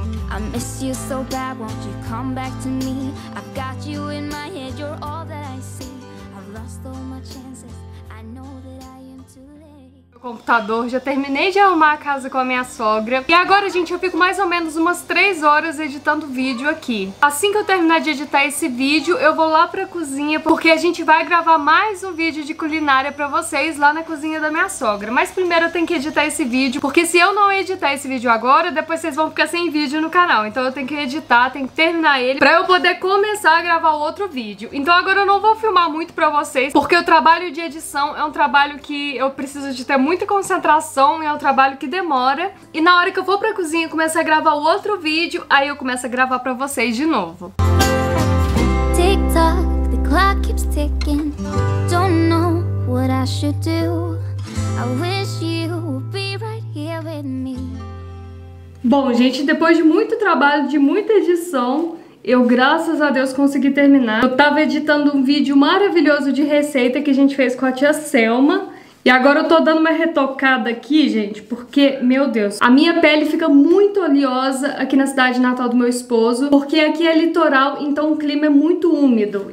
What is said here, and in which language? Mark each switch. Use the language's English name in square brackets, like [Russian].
[English] I miss you so bad, won't you come back to me? I've got you in my head, you're all that I see. I've lost all my chances, I know that I am too late. [Portuguese] Meu computador, já terminei de arrumar a casa com a minha sogra. E agora, gente, eu fico mais ou menos umas 3 horas editando vídeo aqui. Assim que eu terminar de editar esse vídeo, eu vou lá pra cozinha, porque a gente vai gravar mais um vídeo de culinária pra vocês lá na cozinha da minha sogra. Mas primeiro eu tenho que editar esse vídeo, porque se eu não editar esse vídeo agora, depois vocês vão ficar sem vídeo no canal. Então eu tenho que editar, tenho que terminar ele, pra eu poder começar a gravar outro vídeo. Então agora eu não vou filmar muito pra vocês, porque o trabalho de edição é um trabalho que eu preciso de ter muita concentração, e é um trabalho que demora. E na hora que eu vou pra cozinha e começo a gravar outro vídeo, aí eu começo a gravar pra vocês de novo. [English] Tick tock, the clock keeps ticking. Don't know what I should do. I wish you would be right here with me. [Portuguese] Bom, gente, depois de muito trabalho, de muita edição, eu, graças a Deus, consegui terminar. Eu tava editando um vídeo maravilhoso de receita que a gente fez com a tia Selma. E agora eu tô dando uma retocada aqui, gente, porque, meu Deus, a minha pele fica muito oleosa aqui na cidade natal do meu esposo, porque aqui é litoral, então o clima é muito úmido.